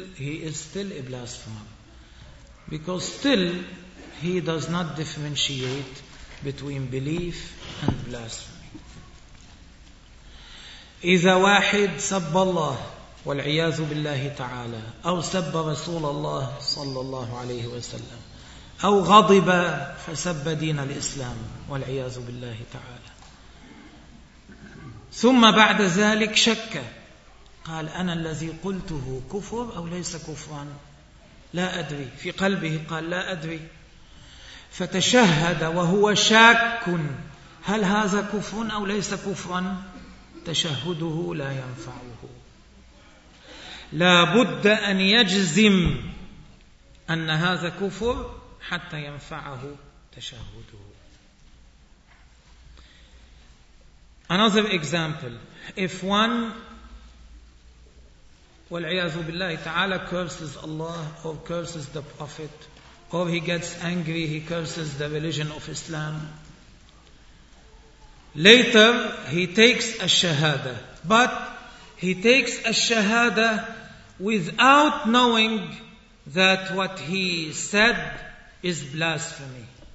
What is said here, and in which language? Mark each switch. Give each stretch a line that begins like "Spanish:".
English: He is still a blasphemer. Because still he does not differentiate between belief and blasphemy.
Arabic: إذا واحد سب الله والعياذ بالله تعالى أو سب رسول الله صلى الله عليه وسلم أو غضب فسب دين الإسلام والعياذ بالله تعالى ثم بعد ذلك شك قال أنا الذي قلته كفر أو ليس كفرا لا أدري في قلبه قال لا أدري فتشهد وهو شاك هل هذا كفر أو ليس كفرا تشهده لا ينفعه لا بد أن يجزم أن هذا كفر حتى ينفعه تشهده.
English: Another example, if one
Arabic: والعياذ بالله تعالى
English: curses Allah or curses the Prophet or he gets angry, he curses the religion of Islam, later he takes a shahada, but he takes a shahada without knowing that what he said is blasphemy.